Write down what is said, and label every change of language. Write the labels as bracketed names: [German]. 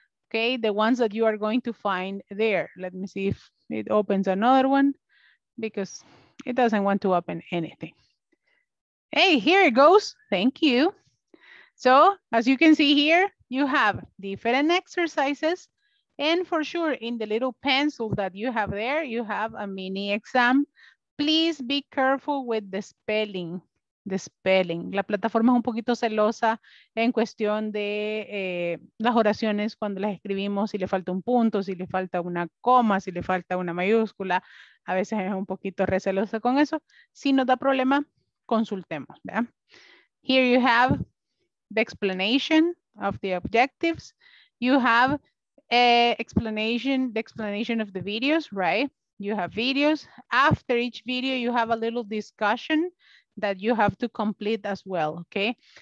[English] Okay, the ones that you are going to find there. Let me see if it opens another one because it doesn't want to open anything. Hey, here it goes. Thank you. So as you can see here, you have different exercises. And for sure, in the little pencil that you have there, you have a mini exam. Please be careful with the spelling. The spelling. [Spanish] La plataforma es un poquito celosa en cuestión de las oraciones cuando las escribimos, si le falta un punto, si le falta una coma, si le falta una mayúscula. A veces es un poquito recelosa con eso. Si nos da problema, consultemos. ¿Ya? [English] Here you have the explanation of the objectives. You have the explanation of the videos, right? You have videos. After each video, you have a little discussion that you have to complete as well, okay?